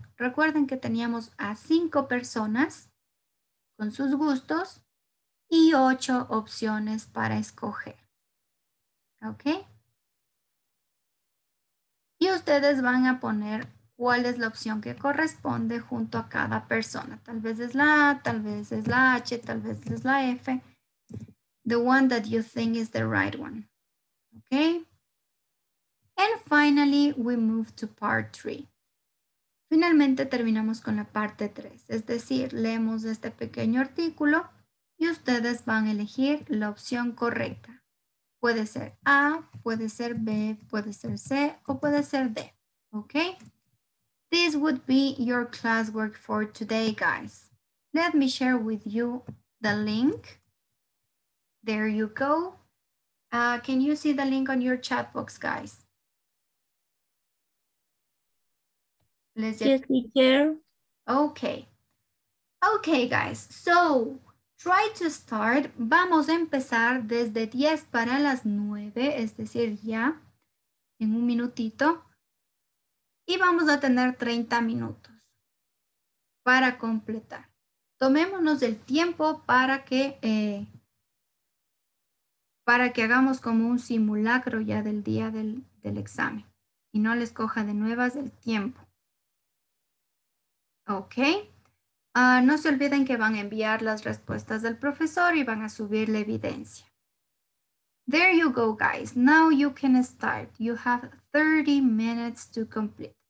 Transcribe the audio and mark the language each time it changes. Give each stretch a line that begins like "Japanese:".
Spanish: Recuerden que teníamos a cinco personas con sus gustos y ocho opciones para escoger, ¿ok? Y ustedes van a poner cuál es la opción que corresponde junto a cada persona. Tal vez es la A, tal vez es la H, tal vez es la F.
English: The one that you think is the right one. Okay. And finally, we move to part three.
Spanish: Finalmente terminamos con la parte tres. Es decir, leemos este pequeño artículo y ustedes van a elegir la opción correcta. Puede ser A, puede ser B, puede ser C, o puede ser D. Okay?
English: This would be your classwork for today, guys. Let me share with you the link. There you go. Can you see the link on your chat box, guys? Let's just... Yes, teacher. Okay. Okay, guys. So... Try to start.
Spanish: Vamos a empezar desde 10 para las 9, es decir, ya en un minutito. Y vamos a tener 30 minutos para completar. Tomémonos el tiempo para que hagamos como un simulacro ya del día del examen. Y no les coja de nuevas el tiempo. Ok. No se olviden que van a enviar las respuestas del profesor y van a subir la evidencia.
English: There you go, guys. Now you can start. You have 30 minutes to complete.